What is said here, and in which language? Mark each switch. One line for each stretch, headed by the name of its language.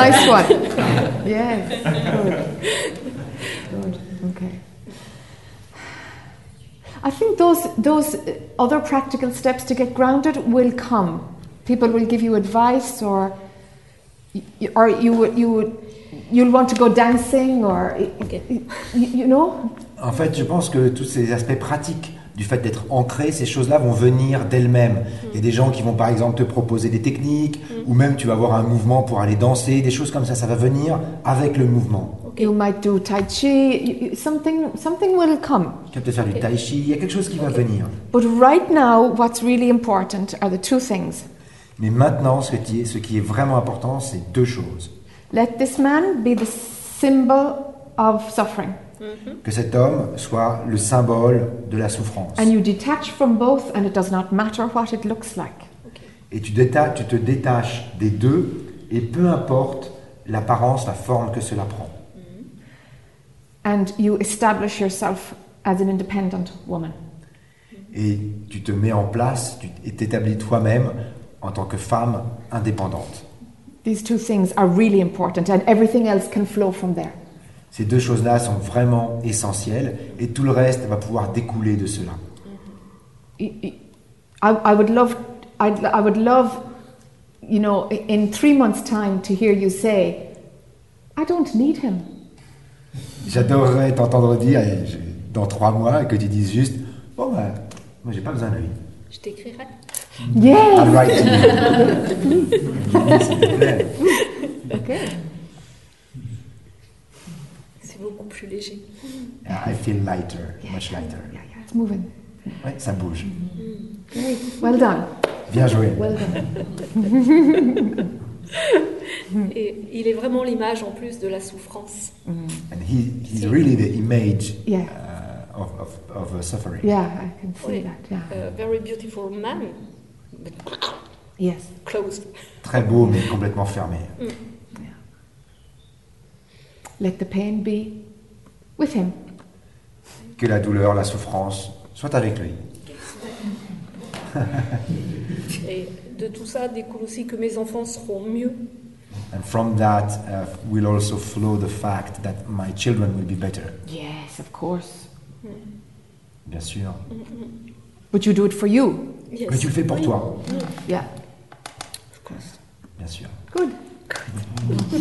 English: Nice one. Yes. Good. Good. Okay. I think those other practical steps to get grounded will come. People will give you advice, or you'll want to go dancing, or okay. you know.
French: En fait, je pense que tous ces aspects pratiques du fait d'être ancré, ces choses-là vont venir d'elles-mêmes. Mmh. Il y a des gens qui vont par exemple te proposer des techniques, mmh. ou même tu vas avoir un mouvement pour aller danser, des choses comme ça, ça va venir avec le mouvement.
English: Okay. You might do tai chi, something will come.
French: Tu vas te faire du tai chi, il y a quelque chose qui va venir.
English: But right now, what's really important are the two things.
French: Mais maintenant, ce qui est vraiment important, c'est deux choses.
English: Let this man be the symbol of suffering. Mm-hmm.
French: Que cet homme soit le symbole de la souffrance.
English: And you detach from both, and it does not matter what it looks like. Okay.
French: Et tu te détaches des deux, et peu importe l'apparence, la forme que cela prend. Mm-hmm.
English: And you establish yourself as an independent woman.
French: Et tu te mets en place, tu t'établis toi-même en tant que femme indépendante.
English: These two things are really important, and everything else can flow from there.
French: Ces deux choses-là sont vraiment essentielles et tout le reste va pouvoir découler de cela.
English: I would love, you know, in 3 months' time to hear you say, I don't need him.
French: J'adorerais t'entendre dire dans 3 mois que tu dises juste, bon ben, moi j'ai pas besoin de lui. Je t'écrirai.
English: Yes. I'll write to you. Okay.
French: Plus léger.
English: Yeah, I feel lighter, much lighter. Yeah, yeah, it's moving.
French: Ouais, ça bouge.
English: Mm-hmm. Great, well done.
French: Bien joué.
English: Well done.
French: Et il est vraiment l'image en plus de la souffrance.
English: Mm-hmm. And he's really the image of suffering. Yeah, I can see that. Yeah. Very beautiful man, but yes, closed.
French: Très beau, mais complètement fermé. Mm.
English: Let the pain be with him.
French: Que la douleur, la souffrance soient avec lui. Et de tout ça découle aussi que mes enfants seront mieux.
English: And from that will also flow the fact that my children will be better. Yes, of course.
French: Mm. Bien sûr. Mm-hmm.
English: But you do it for you. Yes.
French: Mais tu le fais pour toi.
English: Mm. Yeah. Of course.
French: Bien sûr.
English: Good.